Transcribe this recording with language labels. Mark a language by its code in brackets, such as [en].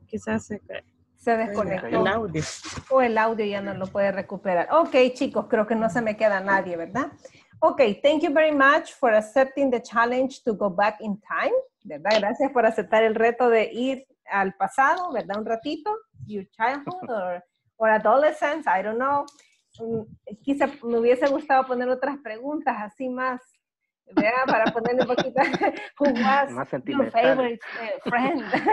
[es] Quizás se desconectó. El audio. O el audio ya no lo puede recuperar. Ok, chicos, creo que no se me queda nadie, ¿verdad? [en] Ok, thank you very much for accepting the challenge to go back in time, [es] ¿verdad? Gracias por aceptar el reto de ir al pasado, ¿verdad? Un ratito, [en] your childhood or adolescence, I don't know. [es] Quizás me hubiese gustado poner otras preguntas así más. Vea, para ponerle un poquito, [en] who was your favorite friend?